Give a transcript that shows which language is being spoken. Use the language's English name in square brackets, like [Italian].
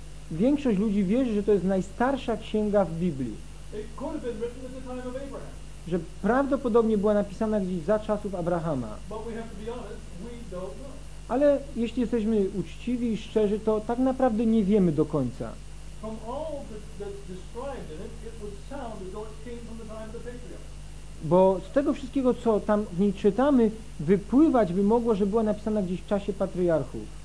[Polish] Większość ludzi wierzy, że to jest najstarsza księga w Biblii. [English] It could have been written at the time of Abraham. [Polish] Że prawdopodobnie była napisana gdzieś za czasów Abrahama. [English] But we have to be honest, we don't know. [Polish] Ale jeśli jesteśmy uczciwi i szczerzy, to tak naprawdę nie wiemy do końca. [English] From all that's described in it, it would sound as though it came from the time of the patriarchs. [Polish] Bo z tego wszystkiego, co tam w niej czytamy, wypływać by mogło, że była napisana gdzieś w czasie patriarchów.